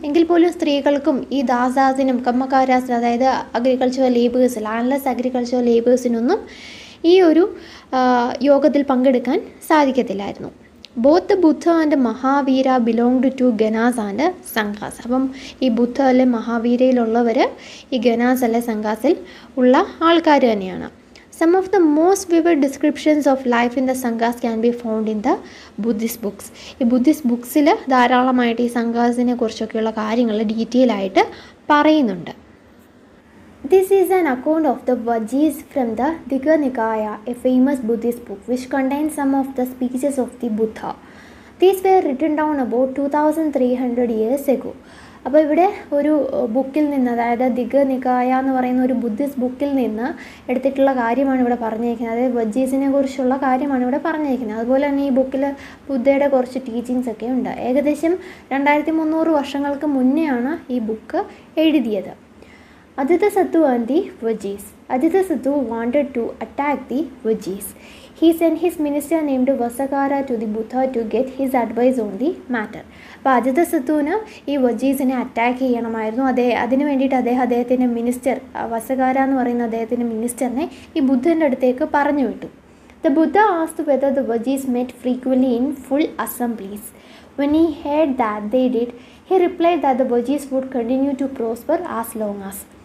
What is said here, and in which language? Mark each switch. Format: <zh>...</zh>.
<ml>എങ്കിൽ പോലും സ്ത്രീകൾക്കും ഈ ദാസാസിനും കമ്മക്കാരാസിനും, അതായത് അഗ്രികൾച്ചർ ലേബേഴ്സ്, ലാൻഡ്ലെസ് അഗ്രികൾച്ചർ ലേബേഴ്സിനൊന്നും ഈ ഒരു യോഗത്തിൽ പങ്കെടുക്കാൻ സാധിക്കത്തില്ലായിരുന്നു.</ml> <en>Both the Buddha and Mahavira belonged to ganas and sanghas.</en> <ml>അപ്പം ഈ ബുദ്ധ അല്ലെ മഹാവീരയിലുള്ളവർ ഈ ഗനാസ് അല്ലെ സംഘാസിൽ ഉള്ള ആൾക്കാർ തന്നെയാണ്.</ml> <en>Some of the most vivid descriptions of life in the Sanghas can be found in the Buddhist books.</en> <ml>ഈ ബുദ്ധിസ്റ്റ് ബുക്സിൽ ധാരാളമായിട്ട് ഈ സംഘാസിനെ കുറിച്ചൊക്കെയുള്ള കാര്യങ്ങൾ ഡീറ്റെയിൽ ആയിട്ട് പറയുന്നുണ്ട്.</ml> <en>This is an account of the Vajjis from the Digha Nikaya, a famous Buddhist book which contains some of the speeches of the Buddha. These were written down about 2300 years ago.</en> <ml>അപ്പോൾ ഇവിടെ ഒരു ബുക്കിൽ നിന്ന്, അതായത് ദിഗ നികായ എന്ന് പറയുന്ന ഒരു Buddhist ബുക്കിൽ നിന്ന് എടുത്തിട്ടുള്ള കാര്യമാണ് ഇവിടെ പറഞ്ഞിരിക്കുന്നത്. അതായത് വജ്ജീസിനെ കുറിച്ചുള്ള കാര്യമാണ് ഇവിടെ പറഞ്ഞിരിക്കുന്നത്. അതുപോലെ തന്നെ ഈ ബുക്കിൽ ബുദ്ധയുടെ കുറച്ച് ടീച്ചിങ്സ് ഒക്കെ ഉണ്ട്. ഏകദേശം 2300 വർഷങ്ങൾക്ക് മുന്നെയാണ് ഈ ബുക്ക് എഴുതിയത്.</ml> <en>Ajatasattu and the Vajjis. Ajatasattu wanted to attack the Vajjis. He sent his minister named Vasakara to the Buddha to get his advice on the matter.</en> <ml>അപ്പോൾ അജിത സത്തുവിന് ഈ വജ്ജീസിനെ അറ്റാക്ക് ചെയ്യണമായിരുന്നു. അതിന് വേണ്ടിയിട്ട് അദ്ദേഹത്തിൻ്റെ മിനിസ്റ്റർ, വസകാര എന്ന് പറയുന്ന അദ്ദേഹത്തിൻ്റെ മിനിസ്റ്ററിനെ ഈ ബുദ്ധൻ്റെ അടുത്തേക്ക് പറഞ്ഞു വിട്ടു.</ml> <en>The Buddha asked whether the Vajjis met frequently in full assemblies. When he heard that they did, he replied that the Vajjis would continue to prosper as long as.</en>